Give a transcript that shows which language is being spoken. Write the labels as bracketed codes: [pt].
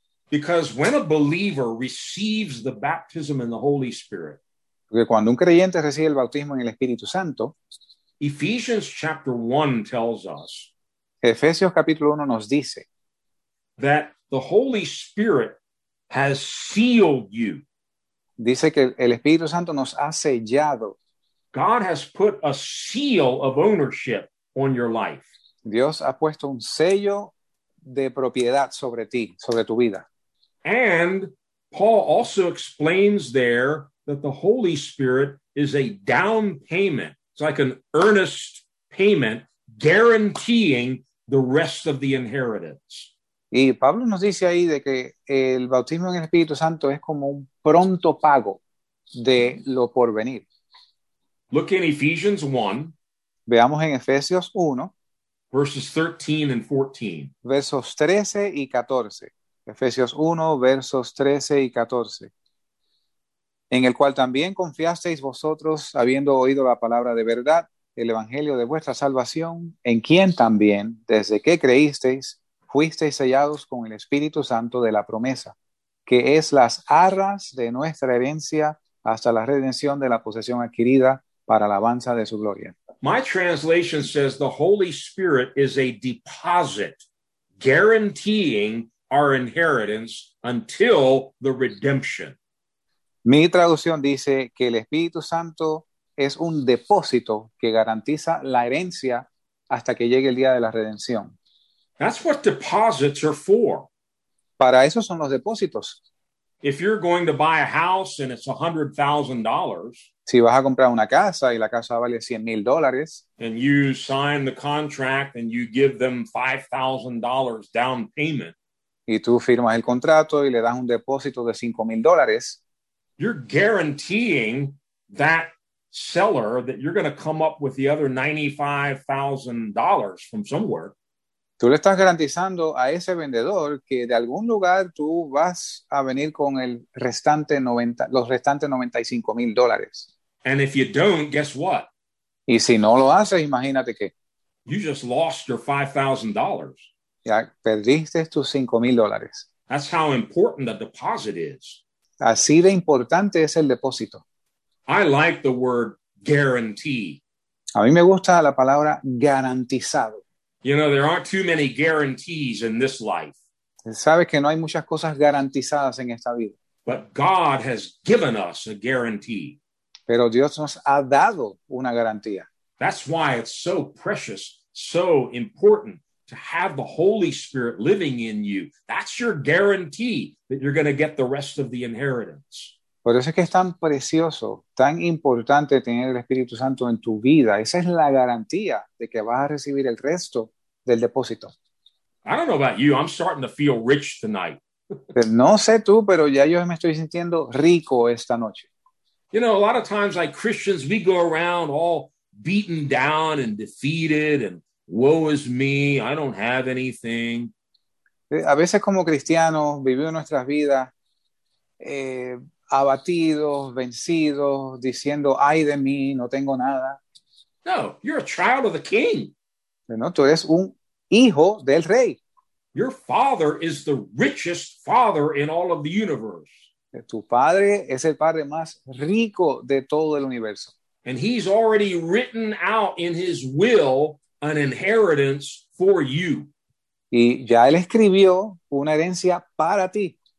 [en] Because when a believer receives the baptism in the Holy Spirit, [es] porque cuando un creyente recibe el bautismo en el Espíritu Santo, [en] Ephesians chapter 1 tells us, [es] Efesios capítulo 1 nos dice, [en] that the Holy Spirit has sealed you. [es] Dice que el Espíritu Santo nos ha sellado. [en] God has put a seal of ownership on your life. [es] Dios ha puesto un sello de propiedad sobre ti, sobre tu vida. [en] And Paul also explains there that the Holy Spirit is a down payment. It's like an earnest payment guaranteeing the rest of the inheritance. [es] Y Pablo nos dice ahí de que el bautismo en el Espíritu Santo es como un pronto pago de lo por venir. [en] Look in Ephesians 1. [es] Veamos en Efesios 1. [en] Verses 13 and 14. [es] Versos 13 y 14. Efesios 1, versos 13 y 14. En el cual también confiasteis vosotros, habiendo oído la palabra de verdad, el evangelio de vuestra salvación, en quien también, desde que creísteis, fuisteis sellados con el Espíritu Santo de la promesa, que es las arras de nuestra herencia hasta la redención de la posesión adquirida para alabanza de su gloria. [en] My translation says the Holy Spirit is a deposit guaranteeing our inheritance until the redemption. [es] Mi traducción dice que el Espíritu Santo es un depósito que garantiza la herencia hasta que llegue el día de la redención. [en] That's what deposits are for. [es] Para eso son los depósitos. [en] If you're going to buy a house and it's $100,000, [es] si vas a comprar una casa y la casa vale $100,000, [en] and you sign the contract and you give them $5,000 down payment, [es] y tú firmas el contrato y le das un depósito de $5,000, [en] you're guaranteeing that seller that you're going to come up with the other $95,000 from somewhere. [es] Tú le estás garantizando a ese vendedor que de algún lugar tú vas a venir con el restante 90, los restantes $95,000. [en] And if you don't, guess what? [es] Y si no lo haces, imagínate que. [en] You just lost your $5,000. [es] Ya perdiste tus $5,000. [en] That's how important the deposit is. [es] Así de importante es el depósito. [en] I like the word guarantee. [es] A mí me gusta la palabra garantizado. [en] You know, there aren't too many guarantees in this life. [es] Sabes que no hay muchas cosas garantizadas en esta vida. [en] But God has given us a guarantee. [es] Pero Dios nos ha dado una garantía. [en] That's why it's so precious, so important to have the Holy Spirit living in you. That's your guarantee that you're going to get the rest of the inheritance. [es] Por eso es que es tan precioso, tan importante tener el Espíritu Santo en tu vida. Esa es la garantía de que vas a recibir el resto del depósito. [en] I don't know about you, I'm starting to feel rich tonight. [es] No sé tú, pero ya yo me estoy sintiendo rico esta noche. [en] You know, a lot of times like Christians, we go around all beaten down and defeated and woe is me, I don't have anything. [es] A veces como cristianos vivimos nuestras vidas abatidos, vencidos, diciendo, ay de mí, no tengo nada. [en] No, you're a child of the king. [es] No, tú eres un hijo del rey. [en] Your father is the richest father in all of the universe. [es] Tu padre es el padre más rico de todo el universo. [en] And he's already written out in his will an inheritance for you. [es] Y ya él escribió una herencia para ti.